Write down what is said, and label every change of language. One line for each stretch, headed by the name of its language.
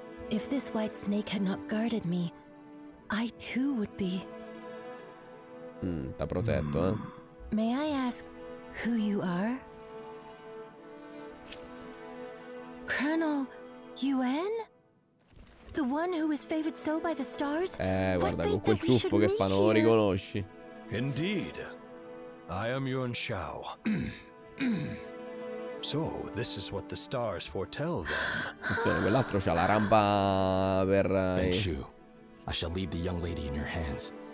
English: If this white snake had not guarded me, I too would be.
Italian: T'ha protetto, eh?
English: May I ask who you are? Colonel Yuan? The one who is favored so by the stars?
Italian: Guarda, con quel ciuffo che fa non lo riconosci.
English: Indeed. I am Yuan Shao. So, this is what the stars foretell them.
Italian: Attenzione, quell'altro c'ha la rampa per...
English: Benshu, I shall leave the young lady in your hands.